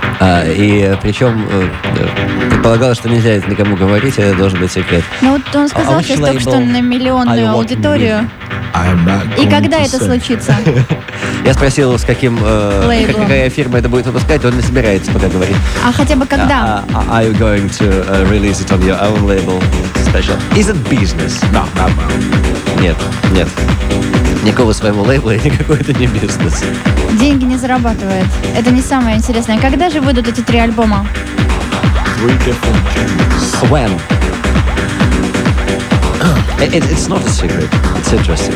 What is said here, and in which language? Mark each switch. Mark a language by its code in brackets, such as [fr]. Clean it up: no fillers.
[ru] И причем предполагалось, что нельзя это никому говорить, это должен быть секрет. Ну вот он сказал сейчас только что на миллионную аудиторию. И когда это случится? Я спросил, с каким какая фирма это будет выпускать, он не собирается пока говорить. А хотя бы когда? [en] Are you going to release it on your own label? Special? Is it business? No, not my own. [ru] Нет. Никакого своего лейбла и никакой это не бизнес. Деньги не зарабатывает. Это не самое интересное. Когда же выйдут эти три альбома? [en] Three different genres. When? It's not a secret. It's interesting.